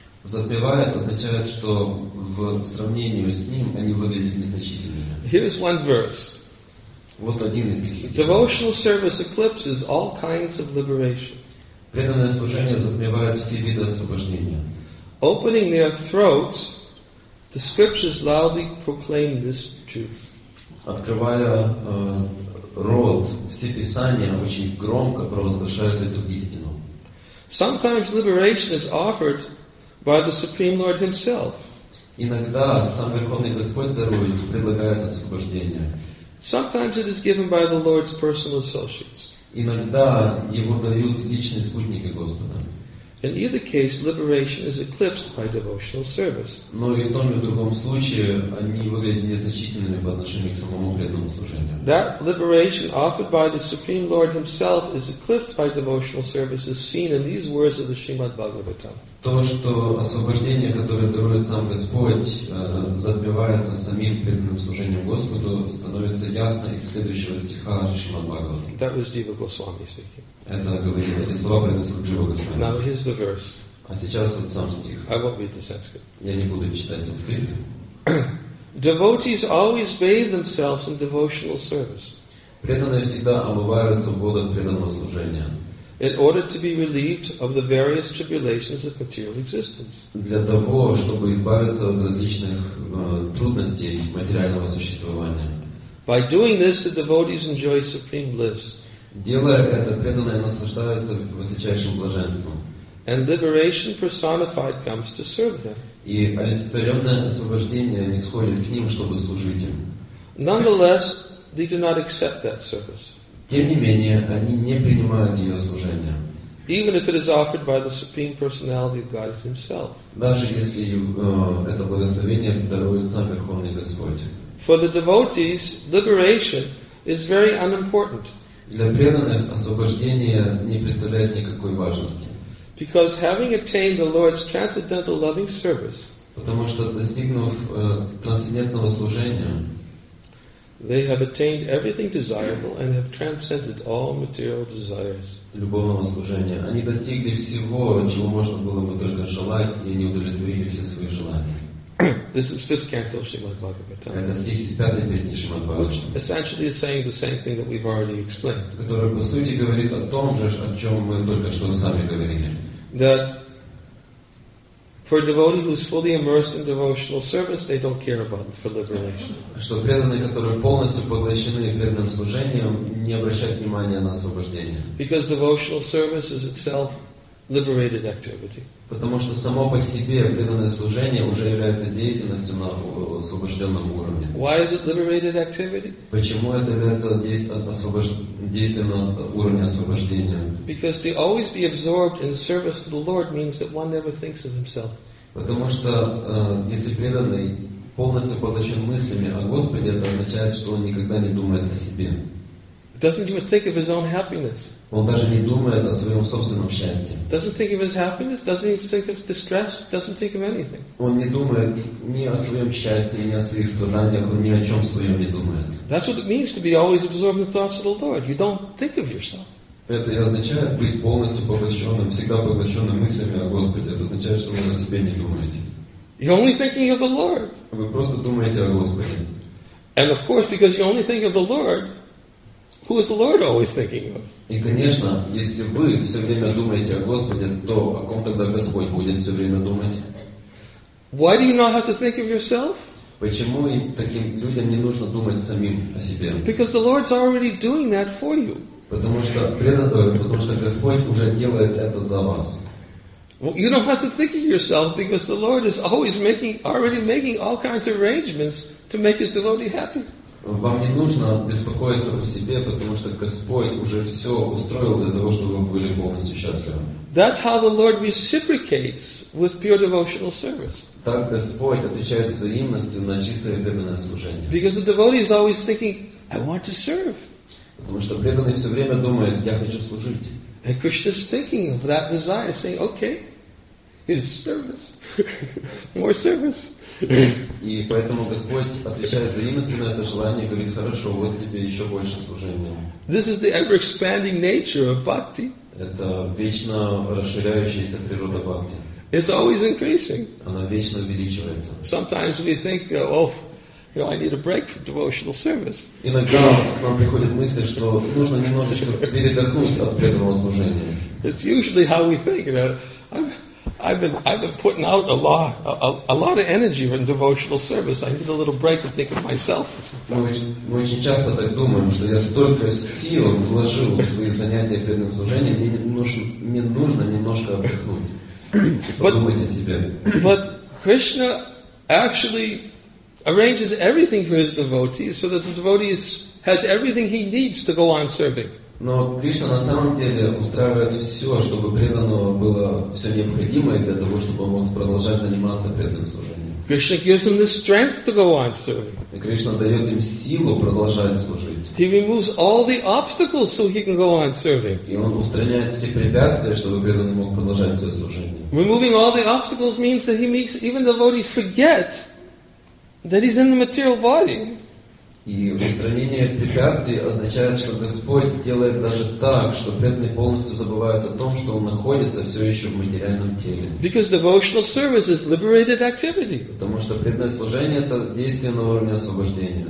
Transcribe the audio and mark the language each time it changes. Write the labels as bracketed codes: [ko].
[ru] Затмевает означает, что в сравнении с ним они выглядят незначительными. [en] Here is one verse. [ru] Вот один из таких стихов. [en] Devotional service eclipses all kinds of liberation. [ru] Преданное служение затмевает все виды освобождения. [en] Opening their throats, the scriptures loudly proclaim this truth. [ru] Открывая рот, все писания очень громко провозглашают эту истину. [en] Sometimes liberation is offered by the Supreme Lord Himself. [ru] Иногда сам Верховный Господь дарует, предлагает освобождение. [en] Sometimes it is given by the Lord's personal associates. [ru] Иногда его дают личные спутники Господа. [en] In either case, liberation is eclipsed by devotional service. [ru] Но и в том и в другом случае они выглядят незначительными по отношению к самому преданному служению. [en] That liberation offered by the Supreme Lord Himself is eclipsed by devotional service is seen in these words of the Srimad Bhagavatam. [ru] То, что освобождение, которое дарует сам Господь, затмевается самим преданным служением Господу, становится ясно из следующего стиха Шримад Бхагаватам. [en] That was Jiva Goswami speaking. [ru] Это говорил, эти слова произнесли Jiva Goswami. [en] Now here's the verse. [ru] А сейчас вот сам стих. [en] I won't read the Sanskrit. [ru] Я не буду читать санскрит. [en] Devotees always bathe themselves in devotional service. [ru] Преданные всегда омываются в водах преданного служения. [en] in order to be relieved of the various tribulations of material existence. [ru] Для того, чтобы избавиться от различных трудностей материального существования. [en] By doing this, the devotees enjoy supreme bliss. [ru] Делая это, преданные наслаждаются высочайшим блаженством. [en] And liberation personified comes to serve them. [ru] И олицетворенное освобождение нисходит к ним, чтобы служить им. [en] Nonetheless, they do not accept that service. [ru] Тем не менее, они не принимают ее служение. [en] Even if it is offered by the Supreme Personality of God Himself. [ru] Даже если это благословение дарует сам Верховный Господь. [en] For the devotees, liberation is very unimportant. [ru] Для преданных освобождение не представляет никакой важности. [en] Because having attained the Lord's transcendental loving service, [ru] потому что достигнув трансцендентного служения, [en] they have attained everything desirable and have transcended all material desires. [ru] Любовного служения. Они достигли всего, чего можно было бы только желать, и они удовлетворили все свои желания. [en] This is fifth canto of Srimad Bhagavatam. [ru] Это стих из пятой песни Шримад Бхагаватам. [en] Which essentially is saying the same thing that we've already explained. [ru] Который по сути говорит о том же, о чем мы только что сами говорили. [en] That for a devotee who is fully immersed in devotional service, they don't care about it for liberation. [ru] Что преданные, которые полностью поглощены преданным служением, не обращают внимания на освобождение. [en] Because devotional service is itself liberated activity. [ru] Потому что само по себе преданное служение уже является деятельностью на освобожденном уровне. [en] Why is it liberated activity? [ru] Почему это является действием на уровне освобождения? [en] Because to always be absorbed in service to the Lord means that one never thinks of himself. [ru] Потому что если преданный полностью поглощен мыслями о Господе, это означает, что он никогда не думает о себе. [en] Doesn't even think of his own happiness. [ru] Он даже не думает о своем собственном счастье. [en] Doesn't think of his happiness, doesn't even think of distress, doesn't think of anything. [ru] Он не думает ни о своем счастье, ни о своих страданиях, он ни о чем своем не думает. [en] That's what it means to be always absorbed in the thoughts of the Lord. You don't think of yourself. [ru] Это и означает быть полностью поглощенным, всегда поглощенным мыслями о Господе. Это означает, что вы о себе не думаете. [en] You're only thinking of the Lord. [ru] Вы просто думаете о Господе. [en] And of course, because you only think of the Lord, who is the Lord always thinking of? [ru] И, конечно, если вы все время думаете о Господе, то о ком тогда Господь будет все время думать? [en] Why do you not have to think of yourself? [ru] Почему таким людям не нужно думать самим о себе? [en] Because the Lord's already doing that for you. [ru] Потому что Господь уже делает это за вас. [en] Well, you don't have to think of yourself because the Lord is always already making all kinds of arrangements to make his devotee happy. [ru] Вам не нужно беспокоиться о себе, потому что Господь уже все устроил для того, чтобы вы были полностью счастливы. [en] That's how the Lord reciprocates with pure devotional service. [ru] Так Господь отвечает взаимностью на чистое преданное служение. [en] Because the devotee is always thinking, I want to serve. [ru] Потому что преданный все время думает, я хочу служить. [en] And Krishna is thinking of that desire, saying, okay, it's service, more service. [ru] И поэтому Господь отвечает взаимностью на это желание и говорит, хорошо, вот тебе еще больше служения. [en] This is the ever-expanding nature of bhakti. [ru] Это вечно расширяющаяся природа бхакти. [en] It's always increasing. [ru] Она вечно увеличивается. [en] Sometimes we think, I need a break from devotional service. [ru] Иногда к нам приходит мысль, что нужно немножечко передохнуть от преданного служения. [en] It's usually how we think, I've been putting out a lot of energy in devotional service. I need a little break to think of myself. [ru] Мы очень часто так думаем, что я столько сил вложил в свои занятия преданным служением, мне нужно немножко отдохнуть, подумать о себе. [en] But Krishna actually arranges everything for his devotees so that the devotee has everything he needs to go on serving. [ru] Но Кришна на самом деле устраивает все, чтобы преданному было все необходимое для того, чтобы он мог продолжать заниматься преданным служением. [en] Krishna gives him the strength to go on serving. [ru] И Кришна дает им силу продолжать служить. [en] He removes all the obstacles so he can go on serving. [ru] И он устраняет все препятствия, чтобы преданный мог продолжать свое служение. [en] Removing all the obstacles means that he makes even the devotee forget that he's in the material body. [ru] И устранение препятствий означает, что Господь делает даже так, что преданные полностью забывают о том, что Он находится все еще в материальном теле. [en] Because devotional service is liberated activity. [ru] Потому что преданное служение — это действие на уровне освобождения.